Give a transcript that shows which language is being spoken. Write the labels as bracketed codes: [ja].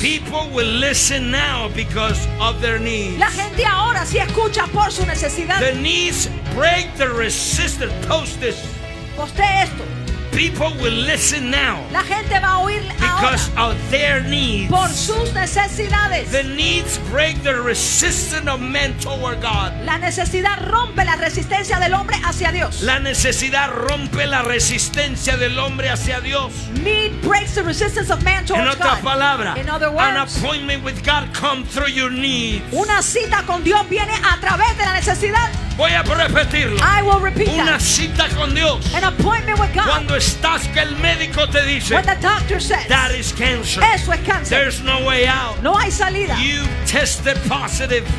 [en] People will listen now because of their needs. [es] La gente ahora sí escucha por su necesidad. [en] The needs break the resistance. Post this. [es] Poste esto. [en] People will listen now. [es] La gente va a oír [en] because [es] ahora [en] of their needs. [es] Por sus necesidades. [en] The needs break the resistance of men toward God. [es] La necesidad rompe la resistencia del hombre hacia Dios. La necesidad rompe la resistencia del hombre hacia Dios. [en] Need breaks the resistance of man towards [es] en otra [en] God. [es] Palabra, [en] in other words, an appointment with God comes through your needs. [es] Una cita con Dios viene a través de la necesidad. Voy a repetirlo. [en] I will repeat [es] una [en] that. [es] Cita con Dios. [en] An appointment with God. [es] Cuando estás que el médico te dice. [en] When the doctor says. That is cancer. [es] Eso es cáncer. [en] There's no way out. [es] No hay salida. [en] You tested positive.